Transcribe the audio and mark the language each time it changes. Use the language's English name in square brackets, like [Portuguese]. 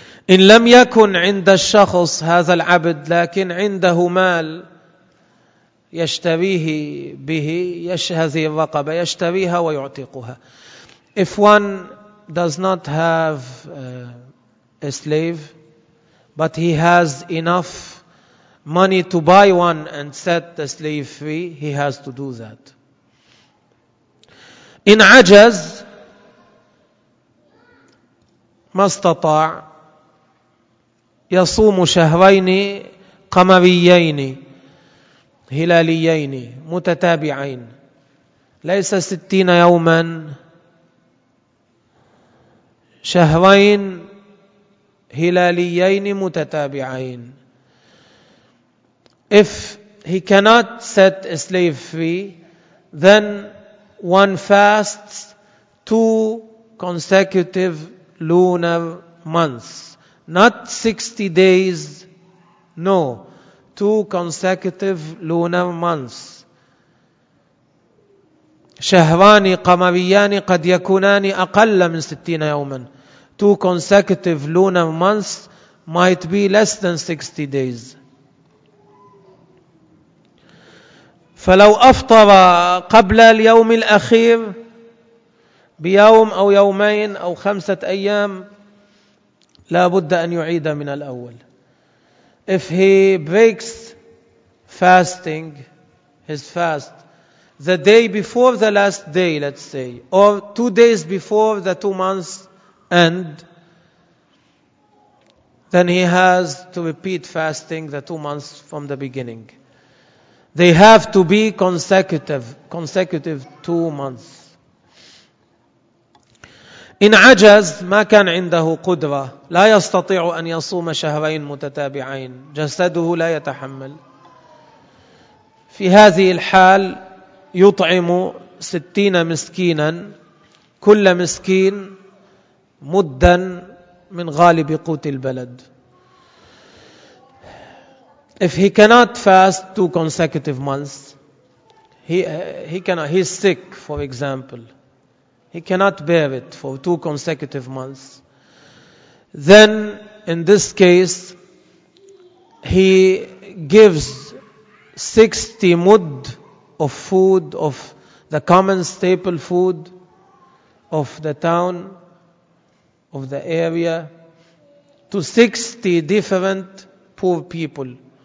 [Arabic] إن لم يكن عند الشخص هذا العبد لكن عنده مال يشتريه به هذه الرقبة يشتريها ويعتقها. [English] If one does not have a slave but he has enough money to buy one and set the slave free, he has to do that. [Arabic] In عجز ما استطاع يصوم شهرين قمريين هلاليين متتابعين ليس 60 يوما شهرين هلاليين متتابعين. [English] If he cannot set a slave free, then one fasts 2 consecutive lunar months. Not 60 days, no. 2 consecutive lunar months. [Arabic] شهران قمريان قد يكونان أقل من 60 يوما. [English] 2 consecutive lunar months might be less than 60 days. [Arabic] فلو أفطر قبل اليوم الأخير بيوم أو يومين أو 5 أيام لا بد أن يعيد من الأول. [English] If he breaks fasting, his fast, the day before the last day, let's say, or 2 days before the 2 months end, then he has to repeat fasting the 2 months from the beginning. They have to be consecutive 2 months. [Arabic] إن عجز ما كان عنده قدرة لا يستطيع أن يصوم شهرين متتابعين جسده لا يتحمل. في هذه الحال يطعم 60 مسكينا كل مسكين مدا من غالب قوت البلد. [English] If he cannot fast 2 consecutive months, he's sick, for example. He cannot bear it for 2 consecutive months. Then, in this case, he gives 60 mud of food, of the common staple food of the town, of the area, to 60 different poor people.